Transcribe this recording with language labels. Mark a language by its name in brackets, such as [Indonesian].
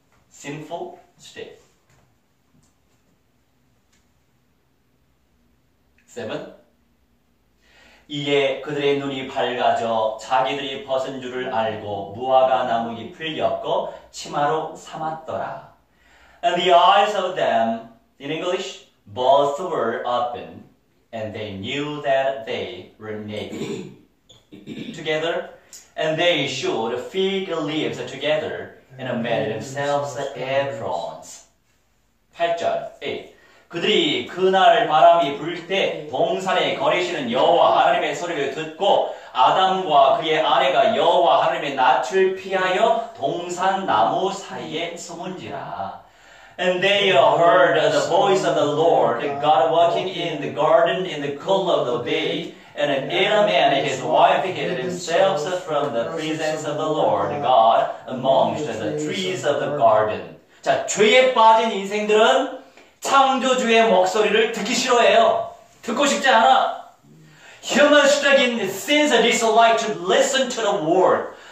[English] 심플 스테이트. 7. [Korean] 이에 그들의 눈이 밝아져 자기들이 벗은 줄을 알고 무화과 나무 잎을 엮어 치마로 삼았더라. [English] And the eyes of them, in English, both were open. And they knew that they were naked together. And they shewed fig leaves together and made themselves aprons. [Korean] 8절. 에이. 그들이 그날 바람이 불 때 동산에 거리시는 여호와 하나님의 소리를 듣고 아담과 그의 아내가 여호와 하나님의 낯을 피하여 동산 나무 사이에 숨은지라. [English] And they heard the voice of the Lord, God walking in the garden in the cool of the day, and Adam and his wife hid themselves from the presence of the Lord God amongst the trees of the garden. [Korean] 자, 죄에 빠진 인생들은 창조주의 목소리를 듣기 싫어해요. 듣고 싶지 않아. [English] Human-struggling sins dislike to listen to the word.